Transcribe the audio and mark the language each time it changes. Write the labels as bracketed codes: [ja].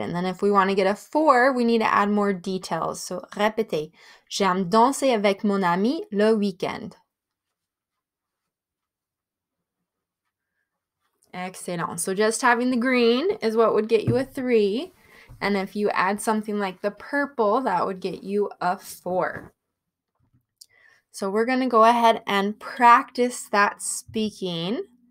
[en] And then if we want to get a 4, we need to add more details. So, [fr] répétez. J'aime danser avec mon ami le week-end. [en] Excellent. So, just having the green is what would get you a 3. And if you add something like the purple, that would get you a 4. So, we're going to go ahead and practice that speaking.